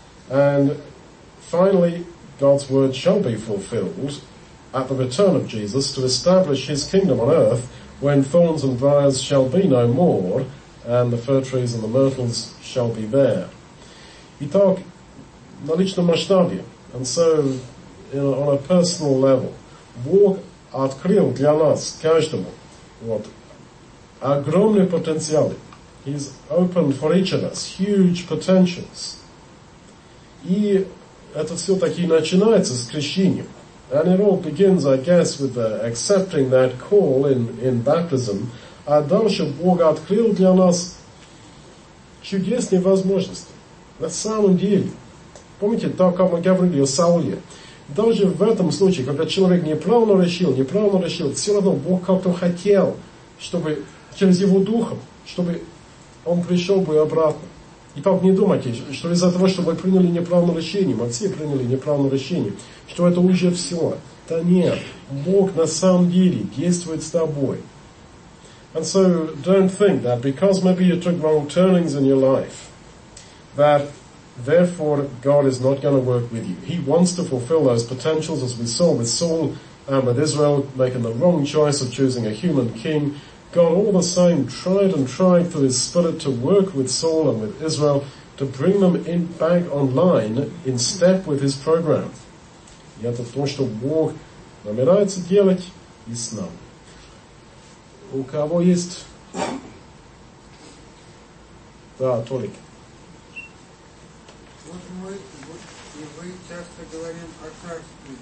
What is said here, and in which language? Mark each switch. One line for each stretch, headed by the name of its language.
English: And finally, God's word shall be fulfilled at the return of Jesus to establish his kingdom on earth when thorns and briars shall be no more and the fir trees and the myrtles shall be there.
Russian: Итак, на личном масштабе,
English: and so on a personal level,
Russian: Бог открыл для нас, каждому, вот, огромные потенциалы.
English: He's opened for each of us huge potentials.
Russian: И это все таки начинается с крещения.
English: And it all begins, I guess, with accepting that call in baptism.
Russian: А дальше Бог открыл для нас чудесные возможности. На самом деле. Помните, так как мы говорили о Сауле. Даже в этом случае, когда человек неправильно решил, все равно Бог как-то хотел, чтобы через его духом, чтобы он пришел бы обратно. И так не думайте, что из-за того, что вы приняли неправильное решение, мы все приняли неправильное решение, что это уже все. Да нет, Бог на самом деле действует с тобой.
English: And so, don't think that because maybe you took wrong turnings in your life, that therefore God is not going to work with you. He wants to fulfill those potentials, as we saw with Saul and with Israel, making the wrong choice of choosing a human king. God, all the same, tried and tried through his spirit to work with Saul and with Israel to bring them in back online in step with his program.
Russian: И это то, что Бог намерается делать и с нами. У кого есть? Да, Толик. Вот мы часто говорим о Царстве